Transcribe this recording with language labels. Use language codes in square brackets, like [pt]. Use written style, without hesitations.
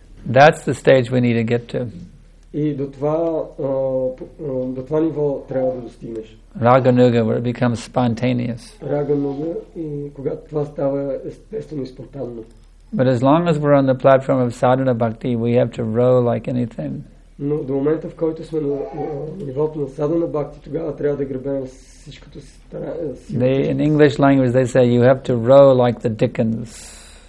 [en] That's the stage we need to get to. [bg] И до това, до това ниво трябва да достигнеш. [en] Рагануга, where it becomes spontaneous. [bg] Рагануга, и когато това става естествено и спонтанно. [en] But as long as we're on the platform of sadhana bhakti, we have to row like anything. [bg] Но до момента, в който сме на нивото на садана бхакти, тогава трябва да гребем всичкото си. [en] In English language they say you have to row like the Dickens.